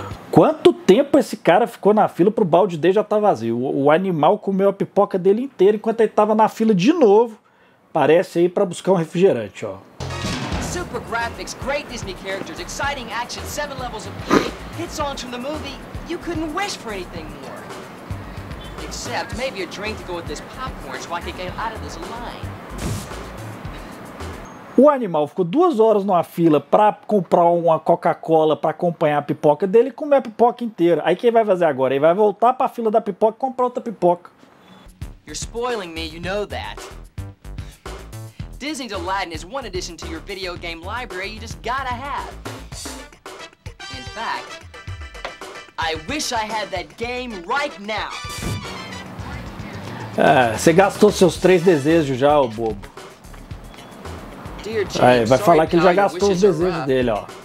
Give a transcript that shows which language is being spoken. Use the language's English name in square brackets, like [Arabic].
[Portuguese] Quanto tempo esse cara ficou na fila pro balde dele já tá vazio? O animal comeu a pipoca dele inteira enquanto ele tava na fila de novo. Parece aí pra buscar um refrigerante, ó. [English] Super graphics, great Disney characters, exciting action, 7 levels of hit songs from the movie. You couldn't wish for anything more. Except maybe a drink to go with this popcorn so I could get out of this line. [Portuguese] O animal ficou 2 horas numa fila pra comprar uma Coca-Cola pra acompanhar a pipoca dele e comer a pipoca inteira. Aí o que ele vai fazer agora? Ele vai voltar pra fila da pipoca e comprar outra pipoca. [English] You're spoiling me, you know that. Disney's Aladdin is one addition to your video game library you just gotta have. In fact, I wish I had that game right now. [Portuguese] É, você gastou seus três desejos já, ô bobo. Aí, vai falar que ele já gastou os desejos dele, ó.